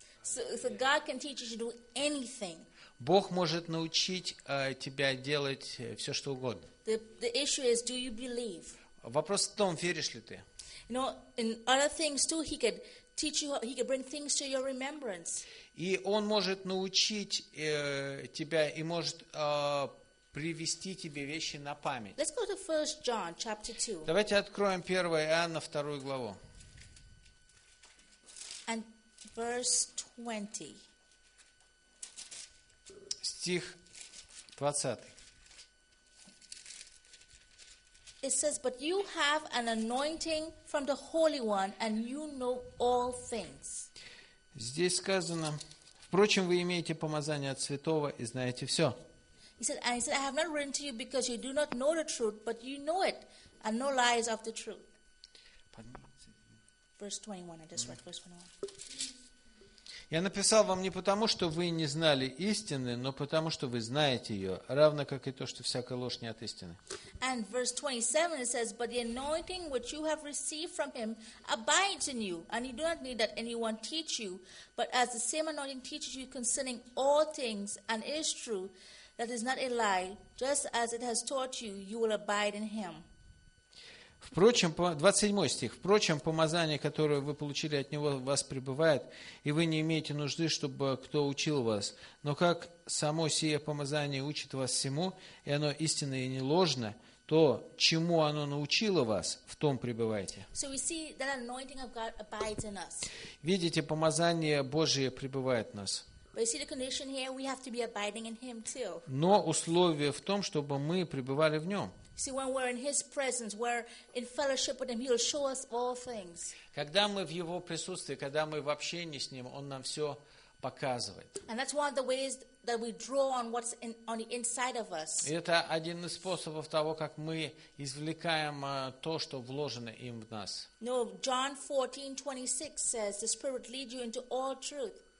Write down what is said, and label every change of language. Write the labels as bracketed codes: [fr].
[en] So God can teach you to do anything. [ru] Бог может научить тебя делать все что угодно. [en] The issue is, do you believe? [ru] Вопрос в том, веришь ли ты? [en] You know, in other things too, he could teach you. He could bring things to your remembrance. [ru] И он может научить тебя и может привести тебе вещи на память. [en] Let's go to 1 John chapter 2. [ru] Давайте откроем 1 Иоанна 2 главу. [en] And Verse 20. [ru] Стих 20. [en] It says, "But you have an anointing from the Holy One, and you know all things." [ru] Здесь сказано: "Впрочем, вы имеете помазание от Святого и знаете все." [en] He said, "And he said, I have not written to you because you do not know the truth, but you know it, and no lies of the truth." Verse 21. I just read verse 21. [ru] Я написал вам не потому, что вы не знали истины, но потому, что вы знаете ее, равно как и то, что всякая ложь не от истины. [en] And verse 27 it says, but the anointing which you have received from him abides in you, and you do not need that anyone teach you, but as the same anointing teaches you concerning all things and is true, that is not a lie, just as it has taught you, you will abide in him. [ru] Впрочем, 27 стих. Впрочем, помазание, которое вы получили от Него, в вас пребывает, и вы не имеете нужды, чтобы кто учил вас. Но как само сие помазание учит вас всему, и оно истинно и не ложно, то чему оно научило вас, в том пребывайте. [en] So we see that anointing of God abides in us. [ru] Видите, помазание Божие пребывает в нас. [en] But you see the condition here, we have to be abiding in Him too. [ru] Но условие в том, чтобы мы пребывали в Нем. [en] See, when we're in His presence, we're in fellowship with Him, He'll show us all things. [ru] Когда мы в Его присутствии, когда мы в общении с Ним, Он нам все показывает. [en] And that's one of the ways that we draw on what's in, on the inside of us. [ru] Это один из способов того, как мы извлекаем то, что вложено им в нас. [en] No, John 14:26 says, "The Spirit leads you into all truth."